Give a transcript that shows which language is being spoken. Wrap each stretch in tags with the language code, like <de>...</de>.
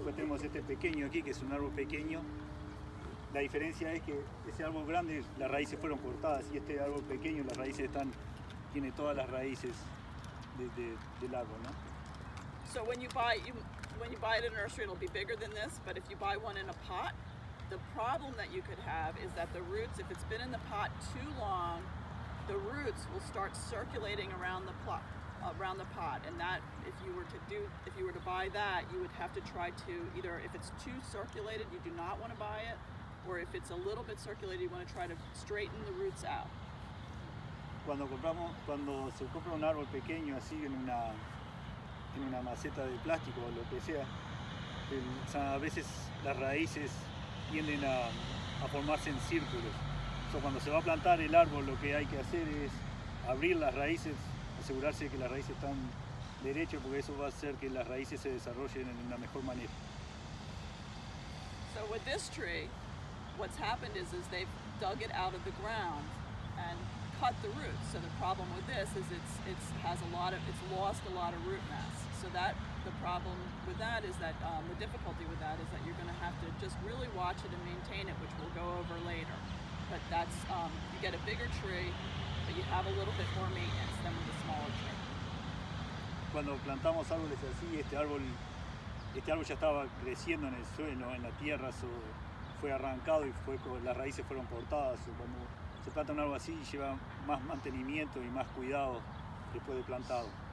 <es>Y después tenemos este pequeño aquí, que es un árbol pequeño. La diferencia es que ese árbol grande, las raíces fueron cortadas, y este árbol pequeño, las raíces tiene todas las raíces del árbol, ¿no?</es> <en>So when you buy it in a nursery, it'll be bigger than this, but if you buy one in a pot, the problem that you could have is that the roots, if it's been in the pot too long, the roots will start circulating around the pot, and that if you were to buy that, you would have to try to either, if it's too circulated, you do not want to buy it, or if it's a little bit circulated, you want to try to straighten the roots out.</en> <es>Cuando se compra un árbol pequeño así en una maceta de plástico o lo que sea, a veces las raíces tienden a formarse en círculos. So, cuando se va a plantar el árbol, lo que hay que hacer es abrir las raíces, asegurarse de que las raíces están derechas, porque eso va a hacer que las raíces se desarrollen en una mejor manera.</es> <en>So with this tree, what's happened is they've dug it out of the ground and cut the roots. So the problem with this is it's lost a lot of root mass. So that the problem with that is that the difficulty with that is that you're going to have to just really watch it and maintain it, which we'll go over later. But that's you get a bigger tree, but you have a little bit more maintenance than with a smaller tree.</en> <es>Cuando plantamos árboles así, este árbol ya estaba creciendo en el suelo, en la tierra, fue arrancado y las raíces fueron cortadas. Cuando se planta un árbol así, lleva más mantenimiento y más cuidado después de plantado.</es>